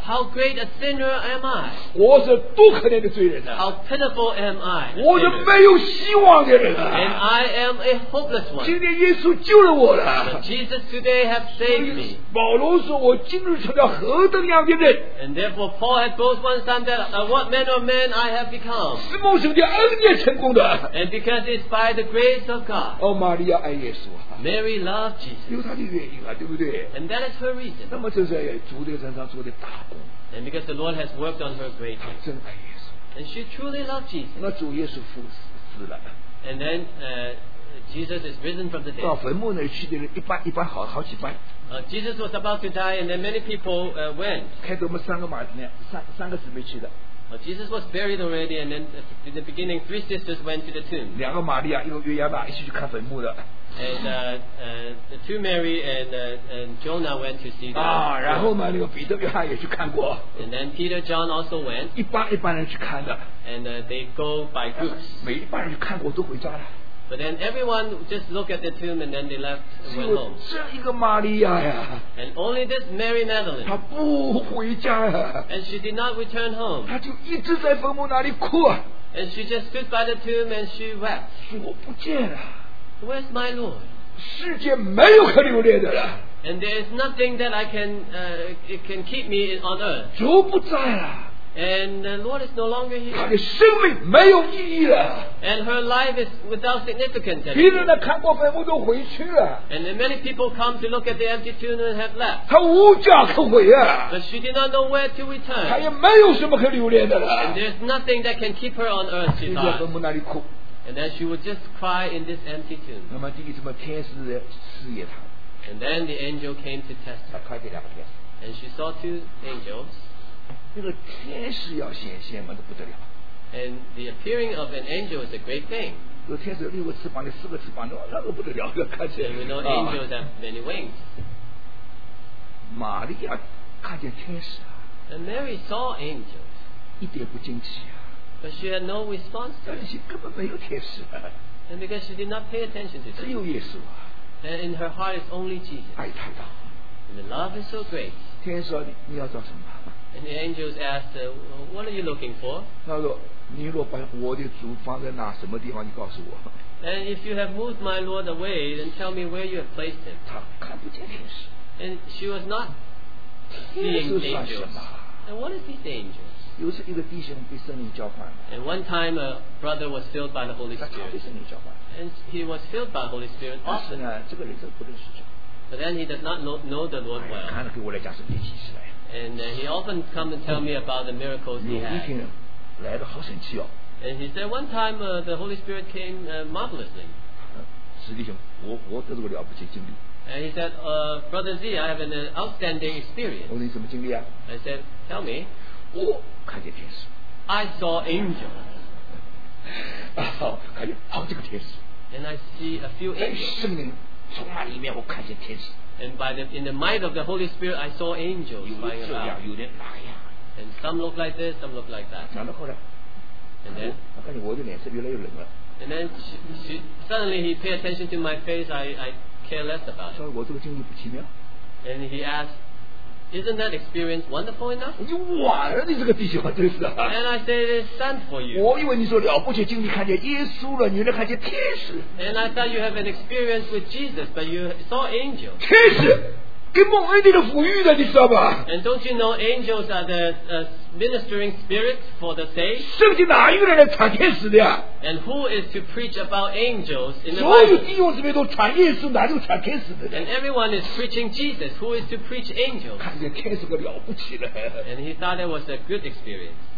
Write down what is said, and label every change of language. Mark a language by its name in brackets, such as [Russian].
[English] How great a sinner am I? [Chinese] 我是多可怜的罪人啊！ [English] How pitiful am I? [Chinese] 我是没有希望的人啊！ [English] And I am a hopeless one. [Chinese] 今天耶稣救了我了。 [English] But Jesus today have saved me. [Chinese] 保罗说我今日成了何等样的人。 [English] And therefore Paul had boasted one time that what manner of man I have become. [Chinese] 是蒙神的恩典成功的。 [English] And because it's by the grace of God. [Chinese] 哦，玛利亚爱耶稣啊 [English] ！Mary loved Jesus， [Chinese] 有她的原因啊，对不对 [English] ？And that is her reason。 [Chinese] 那么就是在主的身上做的大工。 [English] And because the Lord has worked on her great work。 [Chinese] 她真爱耶稣。 [English] And she truly loved Jesus。 [Chinese] 那主耶稣复死了。 [English] And then Jesus is risen from the dead。 [Chinese] 到坟墓那去的人一般一般好好几班。 [English] Jesus was about to die, and then many people went。 [Chinese] 开头我们三个马子呢，三个姊妹去的。 [English] Jesus was buried already, and then in the beginning, three sisters went to the tomb. [Chinese] 两个玛利亚，一个约亚达，一起去看坟墓的。 [English] And the two Mary and Jonah went to see the. [Chinese] 然后嘛，那个彼得、约翰也去看过。 [English] And then Peter, John also went. [Chinese] 一般一般人去看的。 [English] And they go by groups. [Chinese] 每一般人去看过都回家了。 [English] But then everyone just looked at the tomb and then they left and went home. [Chinese] 只有这一个玛利亚呀。 [English] And only this Mary Magdalene. [Chinese] 她不回家呀。 [English] And she did not return home. [Chinese] 她就一直在坟墓那里哭啊。 [English] And she just stood by the tomb and she wept. [Chinese] 主我不见了。 [English] Where's my Lord? [Chinese] 世界没有可留恋的了。 [English] And there is nothing that I can, it can keep me on earth. [Chinese] 主不在了。 [English] And the Lord is no longer here. [Chinese] 她的生命没有意义了。 [English] And her life is without significance. [Chinese] 别人呢看过坟墓都回去了。 [English] And many people come to look at the empty tomb and have left. [Chinese] 她无家可回啊。 [English] But she did not know where to return. [Chinese] 她也没有什么可留恋的了。 [English] And there's nothing that can keep her on earth. [Chinese] 她在坟墓那里哭。 [English] And then she would just cry in this empty tomb. [Chinese] 那么第一次嘛，天使试验她。 [English] And then the angel came to test her. [Chinese] 她看见两个天使。 [English] And she saw two angels. [Chinese] 那个天使要显现嘛，都不得了。 [English] And the appearing of an angel is a great thing. [Chinese] 有天使有六个翅膀，有四个翅膀，那个不得了，要看见。 [English] And we know angels have many wings. [Chinese] 玛利亚看见天使啊。 [English] And Mary saw angels. [Chinese] 一点不惊奇啊。 [English] But she had no response to it. [Chinese] 但是根本没有天使啊。 [English] And because she did not pay attention to it. [Chinese] 只有耶稣啊。 [English] And in her heart is only Jesus. [Chinese] 爱太大。 [English] And the love is so great. [Chinese] 天使说你要找什么？ [English] And the angels asked, "What are you looking for?" [Chinese] 他说，你若把我的主放在哪什么地方，你告诉我。 [English] And if you have moved my Lord away, then tell me where you have placed him. [Chinese] 他看不见天使。 [English] And she was not seeing angels. And what is these angels? [Chinese] 有时一个弟兄被圣灵浇灌。 [English] And one time a brother was filled by the Holy Spirit. [Chinese] 他被圣灵浇灌。 [English] And he was filled by the Holy Spirit. [Chinese] 但是呢，这个人就不认识主。 [English] But then he does not know the Lord well. [Chinese] 看给我来讲什么启示来。 [English] And he often come and tell me about the miracles he had. [Chinese] 有一天来得好神奇哦。 [English] And he said one time the Holy Spirit came marvelously. [Chinese] 史弟兄，我得到个了不起经历。 [English] And he said, Brother Z, I have an outstanding experience. [Chinese] 我说你什么经历啊？ [English] I said, tell me. [Chinese] 我看见天使。 [English] I saw angels. [Chinese] 好，看见好几个天使。 [English] And I see a few angels. [Chinese] 在圣灵充满里面，我看见天使。 [English] And by the, in the might of the Holy Spirit, I saw angels flying about. And some look like this, some look like that. And then suddenly he paid attention to my face. I care less about it. [Chinese] 我这个经历不奇妙。 [English] And he asked, isn't that experience wonderful enough? [Chinese] 你晚了，你这个弟兄啊，真是啊。 [English] And I said, it's sad for you. [Chinese] 我以为你说了不起，经历看见耶稣了，你原来看见天使。 [English] And I thought you have an experience with Jesus, but you saw angels. [Chinese] 天使。跟梦恩典的抚育的，你知道吧 [English] ？And don't you know angels are the、ministering spirits for the saved？ [Chinese] 圣经哪一个人来传天使的呀 [English] ？And who is to preach about angels in the [Chinese] 所有弟兄姊妹都传耶稣，哪有传天使的 [English] ？And everyone is preaching Jesus. Who is to preach angels？ [Chinese] 看见天使个了不起了。 [English] And he thought it was a good experience.